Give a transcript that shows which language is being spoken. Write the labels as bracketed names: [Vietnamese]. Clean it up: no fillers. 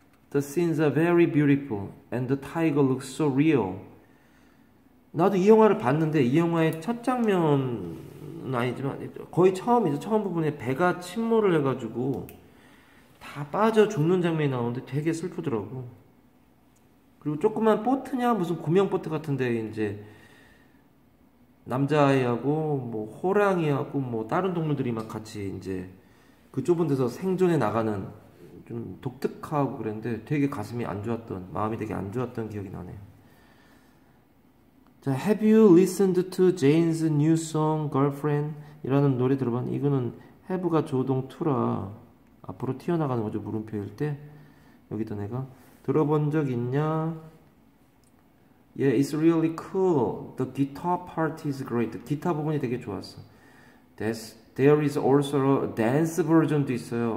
[English] The scenes are very beautiful and the tiger looks so real. [Korean] 나도 이 영화를 봤는데 이 영화의 첫 장면은 아니지만 거의 처음이죠. 처음 부분에 배가 침몰을 해가지고 다 빠져 죽는 장면이 나오는데 되게 슬프더라고. 그리고 조그만 보트냐 무슨 구명보트 같은데 이제 남자아이하고 뭐 호랑이하고 뭐 다른 동물들이 막 같이 이제 그 좁은 데서 생존해 나가는 좀 독특하고 그랬는데 되게 가슴이 안 좋았던 마음이 되게 안 좋았던 기억이 나네요. [English] 자, Have you listened to Jane's new song, Girlfriend? [Korean] 이라는 노래 들어봤는데 이거는 Have가 조동투라 앞으로 튀어나가는 거죠 물음표일 때 여기다 내가 들어본 적 있냐? [English] Yeah, it's really cool. The guitar part is great. [Korean] 기타 부분이 되게 좋았어. [English] There is also a dance version도 [Korean] 있어요.